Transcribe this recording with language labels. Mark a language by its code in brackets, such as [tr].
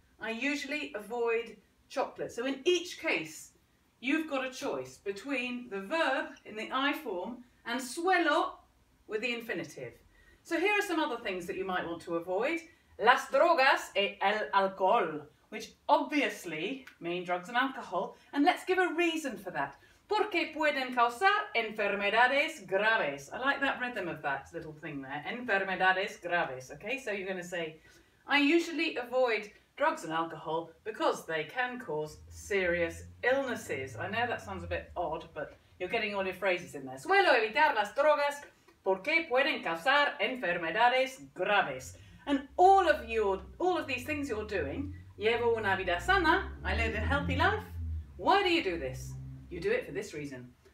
[en] I usually avoid chocolate. So in each case, you've got a choice between the verb in the I form and suelo with the infinitive. So here are some other things that you might want to avoid. [es] Las drogas y el alcohol, [en] which obviously mean drugs and alcohol. And let's give a reason for that. [es] Porque pueden causar enfermedades graves. [en] I like that rhythm of that little thing there. [es] Enfermedades graves. [en] Okay, so you're going to say, I usually avoid drugs and alcohol because they can cause serious illnesses. I know that sounds a bit odd, but you're getting all your phrases in there. [es] Suelo evitar las drogas. Porque pueden causar enfermedades graves. [en] And all of these things you're doing, [es] llevo una vida sana, [en] I live a healthy life. Why do you do this? You do it for this reason.